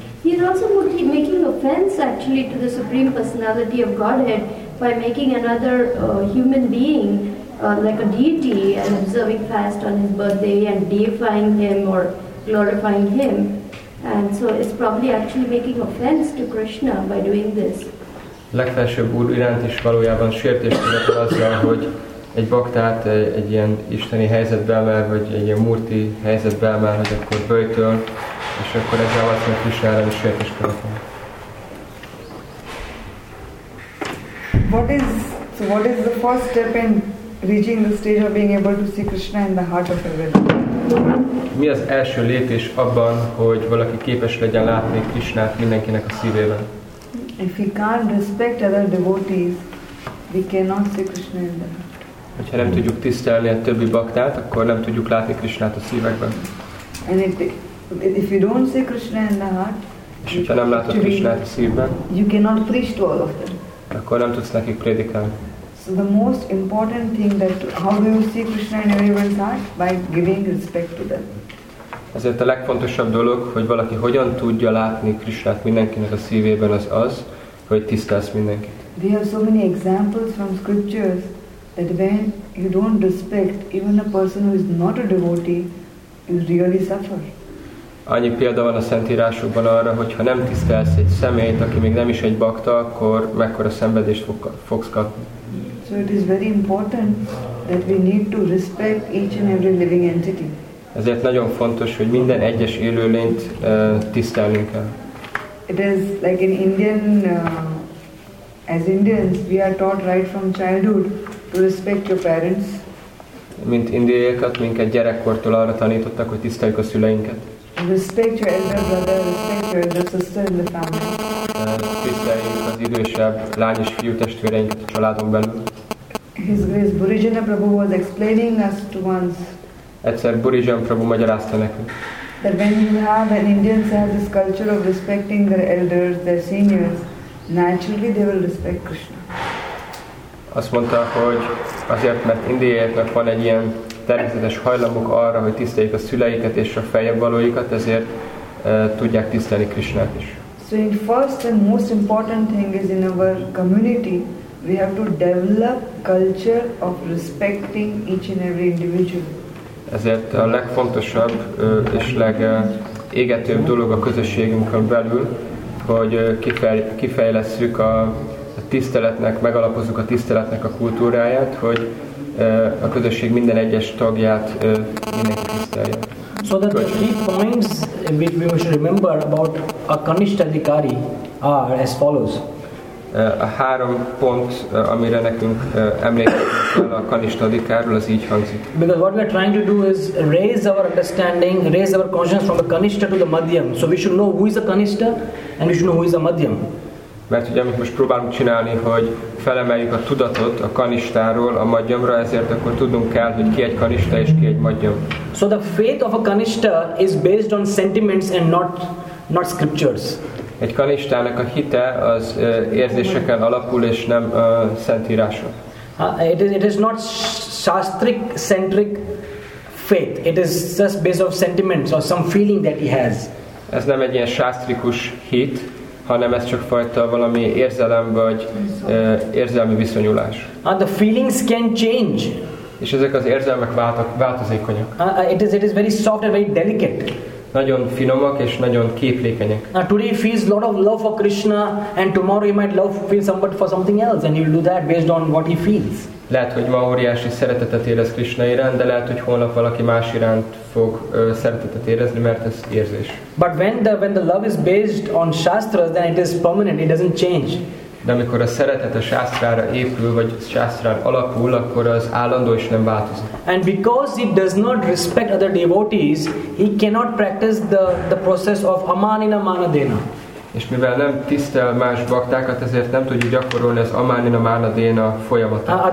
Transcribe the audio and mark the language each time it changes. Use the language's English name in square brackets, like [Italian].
[English] He's also making offense actually to the Supreme Personality of Godhead by making another human being like a deity and observing fast on his birthday and deifying him or glorifying him, and so it's probably actually making offense to Krishna by doing this. [Hungarian] Legfelsőbb úr iránt is valójában sértést tudott azzal, hogy egy baktát egy ilyen isteni helyzetbe emel, vagy egy ilyen murti helyzetbe emel, hogy akkor böjtöl, és akkor ez alacsony Krishnára is sértést tudott. [English] What is the first step in reaching the stage of being able to see Krishna in the heart of everyone? [Hungarian] Mi az első lépés abban, hogy valaki képes legyen látni Krishnát mindenkinek a szívében? [English] If we can't respect other devotees, we cannot see Krishna in the heart. [Hungarian] Hogyha nem tudjuk tisztelni a többi baktát, akkor nem tudjuk látni Krishnát a szívekben. [English] And if we don't see Krishna in the heart, [Hungarian] És hogyha nem látod Krisnát szívben, [English] you cannot preach to all of them. [Hungarian] Akkor nem tudsz nekik prédikálni. [English] So the most important thing that how do you see Krishna in everyone's heart? By giving respect to them. [Hungarian] Ezért a legfontosabb dolog, hogy valaki hogyan tudja látni Krisnát mindenkinek a szívében, az az, hogy tisztelsz mindenkit. [English] We have so many examples from scriptures that when you don't respect even a person who is not a devotee, you really suffer. [Hungarian] Annyi példa van a szentírásokban arra, hogy ha nem tisztelsz egy személyt, aki még nem is egy bakta, akkor mekkora szenvedést fogsz kapni. [English] So it is very important that we need to respect each and every living entity. [Hungarian] Ezért nagyon fontos, hogy minden egyes élőlényt tisztelnünk kell. [English] It is like in Indian, as Indians, we are taught right from childhood to respect your parents. [Hungarian] Mint indiaiakat, minket gyerekkortól arra tanítottak, hogy tiszteljük a szüleinket. [English] Respect your elder brother, respect your elder sister in the family. [Hungarian] Tiszteljük az idősebb lány és fiú testvéreinket a családon belül. [English] His Grace Burijana Prabhu was explaining us to once. [Hungarian] Egyszer Burijana Prabhu magyarázta nekünk. [English] That when you have an Indian has this culture of respecting their elders, their seniors, naturally they will respect Krishna. [Hungarian] Azt mondta, hogy azért, mert indiaiaknak van egy ilyen természetes hajlamuk arra, hogy tiszteljük a szüleiket és a feljebb valóikat, ezért tudják tisztelni Krisnát is. [English] So in first and most important thing is in our community, we have to develop culture of respecting each and every individual. [Hungarian] Ezért a legfontosabb és legégetőbb dolog a közösségünkön belül, hogy kifejlesszük a tiszteletnek, megalapozzuk a tiszteletnek a kultúráját, hogy a közösség minden egyes tagját mindenki tisztelje. [English] So that the three points which we should remember about a Kanishta Adhikari are as follows. [Hungarian] A három pont, amire nekünk emlékeznünk kell a Kanishta Adhikáról, az így hangzik. [English] Because what we are trying to do is raise our understanding, raise our consciousness from the Kanishta to the Madhyam. So we should know who is a Kanishta and we should know who is a Madhyam. [Hungarian] Mert ugye amit most próbálunk csinálni, hogy felemeljük a tudatot a Kanistáról a Madhyamra, ezért akkor tudnunk kell, hogy ki egy Kanista és ki egy Madhyam. [English] So the faith of a Kanista is based on sentiments and not scriptures. [Hungarian] Egy Kanistának a hite az érzéseken alapul és nem szentíráson. [English] It is not shastric centric faith. It is just based on sentiments or some feeling that he has. [Hungarian] Ez nem egy ilyen shastrikus hit, hanem ez csak fajta valami érzelem vagy érzelmi viszonyulás. [English] And the feelings can change. [Hungarian] És ezek az érzelmek változékonyak. [English] It is very soft and very delicate. [Hungarian] Nagyon finomak és nagyon képlékenyek. [English] Today he feels lot of love for Krishna and tomorrow he might feel somebody for something else and he will do that based on what he feels. [Hungarian] Lehet, hogy ma óriási szeretetet érez Krishna iránt, de lehet, hogy holnap valaki más iránt fog szeretetet érezni, mert ez érzés. [English] But when the love is based on shastras, then it is permanent, it doesn't change. [Hungarian] De amikor a szeretet a shastrára épül, vagy shastrán alapul, akkor az állandó is nem változik. [English] And because he does not respect other devotees, he cannot practice the process of amanina manadena. [Hungarian] És mivel nem tisztel más baktákat, ezért nem tudjuk gyakorolni az amanina manadena folyamatát.